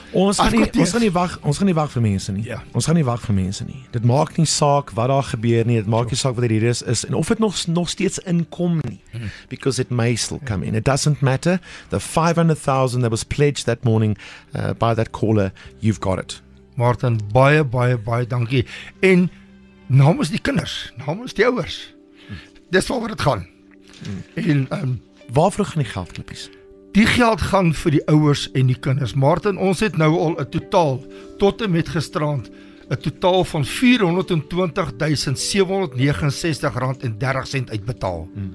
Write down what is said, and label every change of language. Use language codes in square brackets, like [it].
[af] Ons gaan nie wag vir mense nie. [en] Yeah. [af] Ons gaan nie wag vir mense nie. Dit maak nie saak wat daar gebeur nie. Dit maak nie saak wat hier is en of dit nog steeds inkom nie. [en] because it may still come in. It doesn't matter. The 500,000 that was pledged that morning by that caller, you've got it. [af] Martin, baie, baie, baie dankie. En namens die kinders, namens die ouers, dis waar dit gaan. En waarvoor gaan die geld klippies? Die geld gaan vir die ouers en die kinders. Martin, ons het nou al 'n totaal, tot en met gisterand, 'n totaal van R420,769.30 uitbetaal.